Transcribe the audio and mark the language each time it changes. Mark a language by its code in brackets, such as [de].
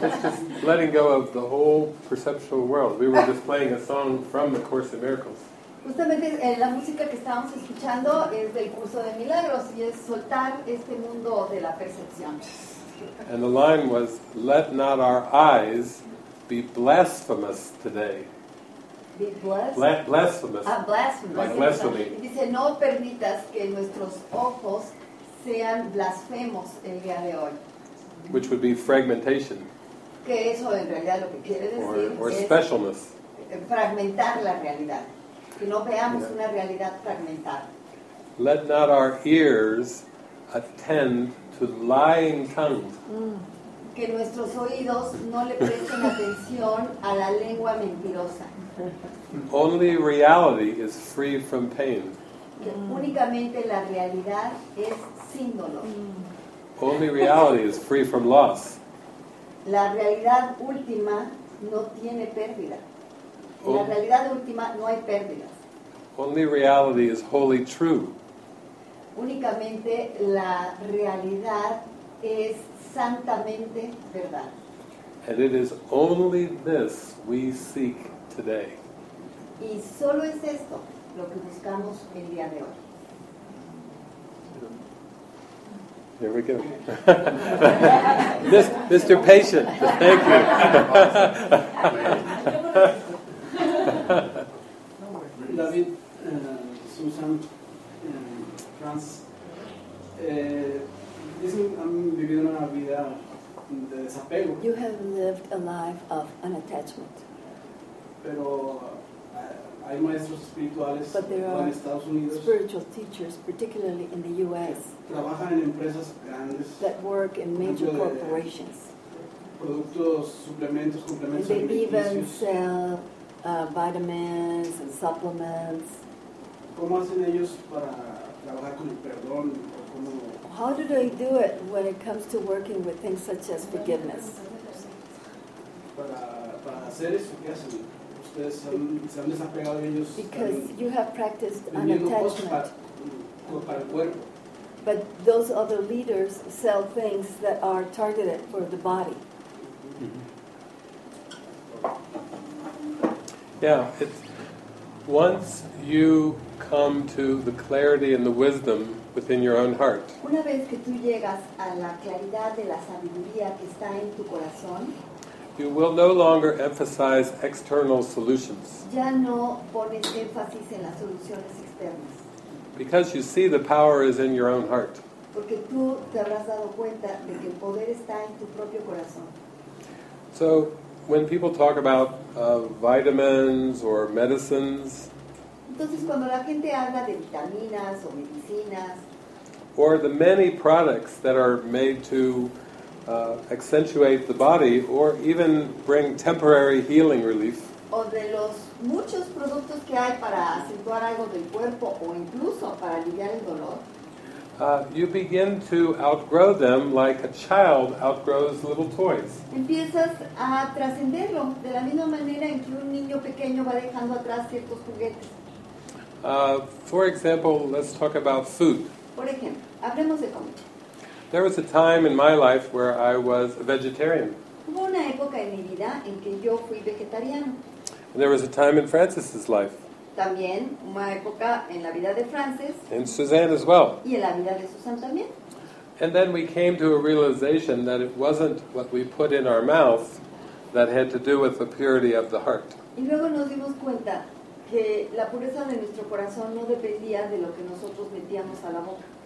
[en] It's just letting go of the whole perceptual world. We were just playing a song from the Course in Miracles. [es] Justamente la música que estábamos escuchando es del Curso de Milagros y es soltar este mundo de la percepción. [en] And the line was, let not our eyes be blasphemous today. Be blasphemous. Blasphemous. Like blasphemy. [es] Dice, no permitas que nuestros ojos sean blasfemos el día de hoy. [en] Which would be fragmentation. [es] Que eso en realidad lo que quiere decir [en] or specialness. [es] Fragmentar la realidad. Que no veamos una realidad fragmentada. [en] Let not our ears attend to lying tongues. [es] Que nuestros oídos no le presten atención a la lengua mentirosa. [en] Only reality is free from pain. [es] Que únicamente la realidad es sin dolor. [en] Only reality is free from loss. [es] La realidad última no tiene pérdida. En la realidad última no hay pérdidas. [en] Only reality is wholly true. [es] Únicamente la realidad es santamente verdad. [en] And it is only this we seek today. [es] Y solo es esto lo que buscamos el día de hoy. [en] There we go. Mr. Patient, thank you. [es] David, Suzanne, Franz, dicen han vivido una vida de desapego. [en] You have lived a life of unattachment. [es] Pero hay maestros espirituales en Estados Unidos. [en] Spiritual teachers, particularly in the U.S. [es] Trabajan en empresas grandes. [en] That work in major corporations. [es] Productos, suplementos, complementos alimenticios. [en] They even sell vitamins and supplements. [es] ¿Cómo hacen ellos para trabajar con el perdón? [en] How do they do it when it comes to working with things such as forgiveness? [es] Para hacer eso, ¿qué hacen? Ustedes se han desapegado de ellos. [en] Because you have practiced unattachment. [es] Para el cuerpo. [en] But those other leaders sell things that are targeted for the body. Yeah, it's once you come to the clarity and the wisdom within your own heart. [es] Una vez que tú llegas a la claridad de la sabiduría que está en tu corazón, [en] you will no longer emphasize external solutions. [es] Ya no pones énfasis en las soluciones externas. [en] Because you see the power is in your own heart. [es] Porque tú te habrás dado cuenta de que el poder está en tu propio corazón. [en] So when people talk about vitamins or medicines, [es] entonces, cuando la gente habla de vitaminas o medicinas, [en] or the many products that are made to accentuate the body or even bring temporary healing relief, [es] o de los muchos productos que hay para acentuar algo del cuerpo o incluso para aliviar el dolor, [en] You begin to outgrow them like a child outgrows little toys. [es] Empiezas a trascenderlo de la misma manera en que un niño pequeño va dejando atrás ciertos juguetes. [en] For example, let's talk about food. [es] Por ejemplo, hablemos de comida. [en] There was a time in my life where I was a vegetarian. [es] Hubo una época en mi vida en que yo fui vegetariano. [en] And there was a time in Francis's life. [es] También una época en la vida de Frances. [en] And Suzanne as well. [es] Y en la vida de Suzanne también. [en] And then we came to a realization that it wasn't what we put in our mouth that had to do with the purity of the heart. [es] Y luego nos dimos cuenta que la pureza de nuestro corazón no dependía de lo que nosotros metíamos a la boca.